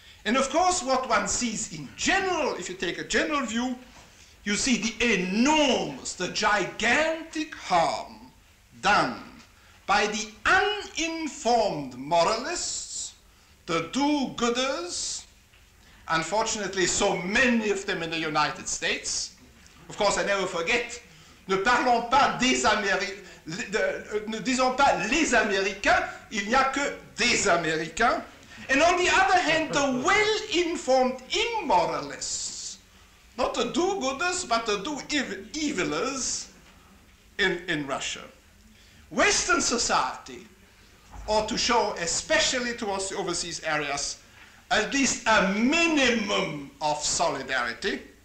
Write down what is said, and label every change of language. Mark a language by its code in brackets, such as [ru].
[en] And of course, what one sees in general, if you take a general view, you see the enormous, the gigantic harm done by the uninformed moralists, the do-gooders, unfortunately so many of them in the United States. Of course, I never forget, [fr] ne parlons pas des Américains, ne disons pas les Américains, il n'y a que des Américains. [en] And on the other hand, the well-informed immoralists, not to do goodness, but to do evilers in Russia. Western society ought to show, especially towards the overseas areas, at least a minimum of solidarity.